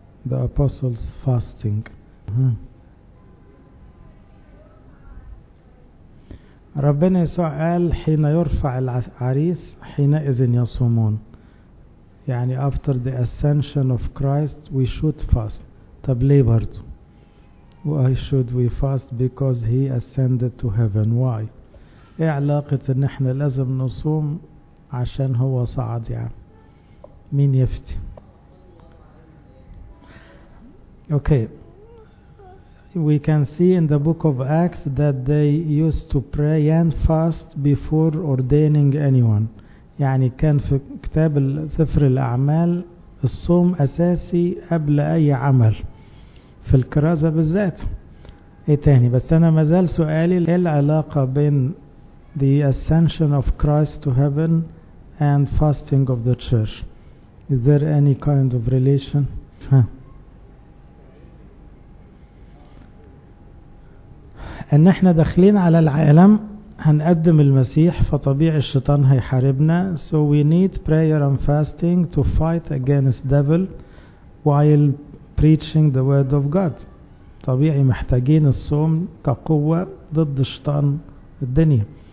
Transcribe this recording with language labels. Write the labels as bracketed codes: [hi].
[en] The apostles fasting. [ar] ربنا يسوع قال حين يرفع العريس حينئذ يصومون، يعني [en] after the ascension of Christ we should fast. [ar] طب ليه برضو؟ [en] Why should we fast? Because he ascended to heaven. Why? [ar] ايه علاقة ان احنا لازم نصوم عشان هو صعد يعني؟ مين يفتي؟ Okay. [en] We can see in the book of Acts that they used to pray and fast before ordaining anyone. [ar] يعني كان في كتاب سفر الأعمال الصوم أساسي قبل أي عمل، في الكرازة بالذات. ايه تاني؟ بس أنا مازال سؤالي ايه العلاقة بين [en] the ascension of Christ to heaven and fasting of the church? Is there any kind of relation? [ar] ان احنا داخلين على العالم هنقدم المسيح، فطبيعي الشيطان هيحاربنا. [en] So we need prayer and fasting to fight against devil while preaching the word of God. [ar] طبيعي محتاجين الصوم كقوة ضد الشيطان الدنيا.